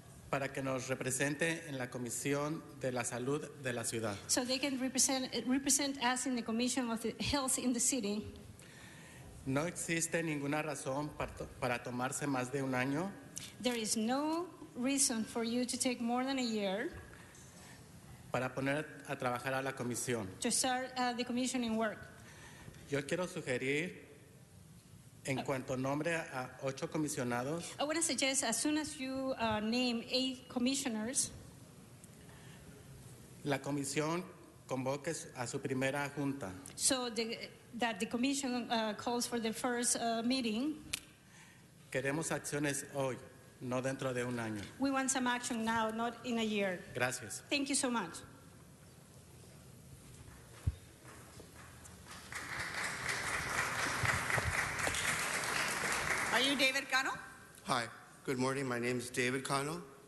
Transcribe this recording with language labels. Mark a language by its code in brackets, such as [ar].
[es] Para que nos represente en la Comisión de la Salud de la Ciudad. [en] So they can represent us in the Commission of the Health in the City. [es] No existe ninguna razón para tomarse más de un año. [en] There is no reason for you to take more than a year. [es] Para poner a trabajar a la comisión. [en] To start the commission in work. [es] Yo quiero sugerir, en cuanto nombre a 8 comisionados. [en] I want to suggest as soon as you name 8 commissioners. [es] La comisión convoque a su primera junta. [en] So that the commission calls for the first meeting. [es] Queremos acciones hoy, no dentro de un año. [en] We want some action now, not in a year. [es] Gracias. [en] Thank you so much. Are you David Cano? Hi, good morning. My name is David Cano.